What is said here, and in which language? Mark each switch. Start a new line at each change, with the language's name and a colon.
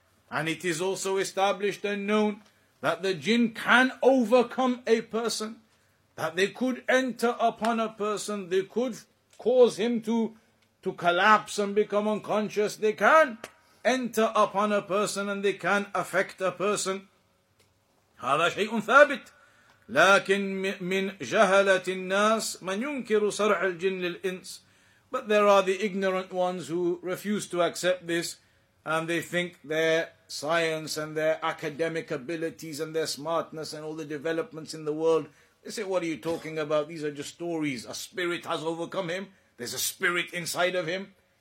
English: And it is also established and known that the jinn can overcome a person, that they could enter upon a person, they could cause him to collapse and become unconscious. They can enter upon a person and they can affect a person.
Arabic: هذا شيء ثابت. لكن من جهلة الناس من ينكر صرع الجن للإنس.
English: But there are the ignorant ones who refuse to accept this, and they think their science and their academic abilities and their smartness and all the developments in the world, they say, what are you talking about? These are just stories. A spirit has overcome him. There's a spirit inside of him.